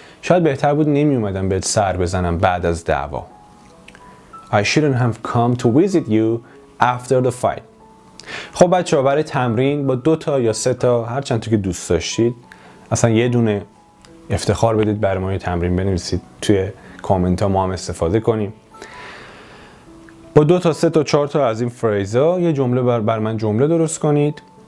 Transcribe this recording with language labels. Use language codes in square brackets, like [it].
[fa] شاید بهتر بود نمی اومدم بهت سر بزنم بعد از دعوا. [en] I shouldn't have come to visit you after the fight. [fa] خب بچه ها برای تمرین با دو تا یا سه تا هر چند تا که دوست داشتید اصلا یه دونه افتخار بدید برای ما، یه تمرین بنویسید توی کامنت ها ما هم استفاده کنیم. با دو تا سه تا چهار تا از این فریز ها یه جمله بر من جمله درست کنید.